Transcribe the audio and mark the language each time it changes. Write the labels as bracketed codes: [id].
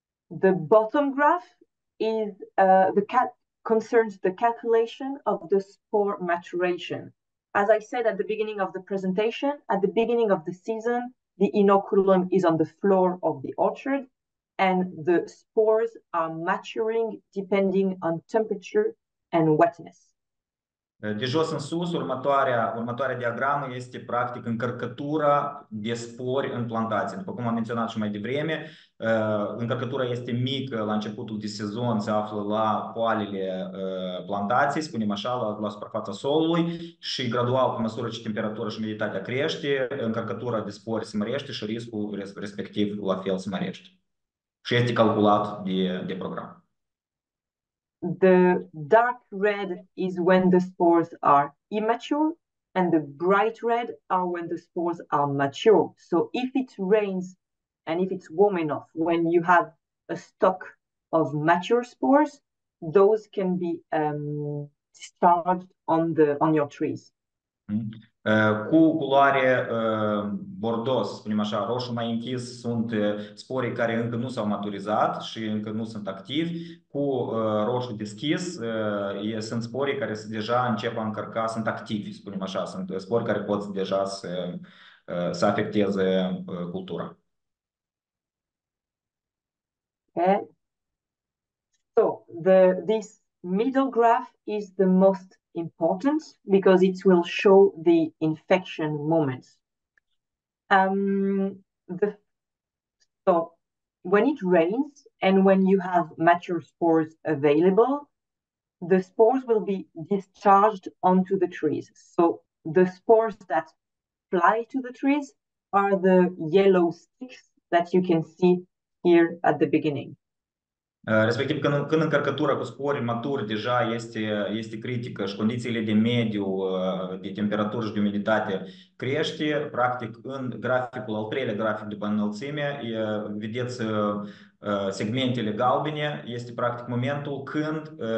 [en] The bottom graph is concerns the calculation of the spore maturation. As I said at the beginning of the presentation, at the beginning of the season, the inoculum is on the floor of the orchard and the spores are maturing depending on temperature and wetness. [ro] De jos în sus, următoarea diagramă este practic încărcătura de spori în plantație. După cum am menționat și mai devreme, încărcătura este mică la începutul de sezon, se află la poalele plantației, spunem așa, la suprafața solului și gradual, pe măsură ce temperatura și umiditatea crește, încărcătura de spori se mărește și riscul respectiv la fel se mărește. Și este calculat de program. [en] The dark red is when the spores are immature, and the bright red are when the spores are mature. So if it rains and if it's warm enough, when you have a stock of mature spores, those can be discharged on your trees. [ro] Cu culoare bordos, spunem așa, roșu mai închis, sunt sporii care încă nu s-au maturizat și încă nu sunt activi. Cu roșu deschis, sunt sporii care se deja încep a încărca, sunt activi, spunem așa, sunt spori care pot deja să afecteze cultura. [en] Okay. So, this middle graph is the most important because it will show the infection moment. So when it rains and when you have mature spores available, the spores will be discharged onto the trees. So the spores that fly to the trees are the yellow sticks that you can see here at the beginning. [ro] Respectiv, când încărcătura cu spori maturi deja este critică și condițiile de mediu, de temperatură și de umiditate crește, practic în graficul, al treilea grafic după înălțime, vedeți segmentele galbene, este practic momentul când